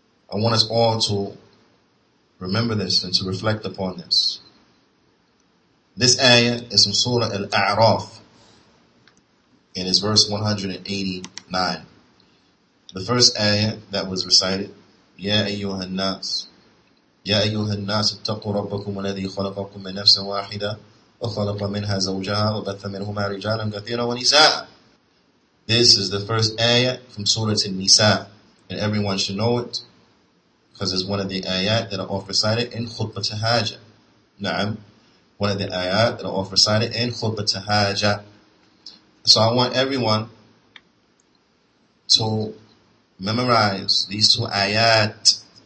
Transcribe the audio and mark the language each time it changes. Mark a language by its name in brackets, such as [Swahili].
[English] I want us all to remember this and to reflect upon this. This ayah is from Surah Al-A'raf. It is verse 189. The first ayah that was recited, Ya ayyuhan nas. [Arabic] يا أيها الناس اتقوا ربكم الذي خلقكم من نفس واحدة وخلق منها زوجها وبث منهما رجالا كثيرا ونساء. [English] This is the first ayah from Surah An-Nisa, and everyone should know it because it's one of the ayat that are often cited in Khutbah Tahaja. نعم, one of the ayat that are often cited in Khutbah Tahaja. So I want everyone to memorize these two ayat.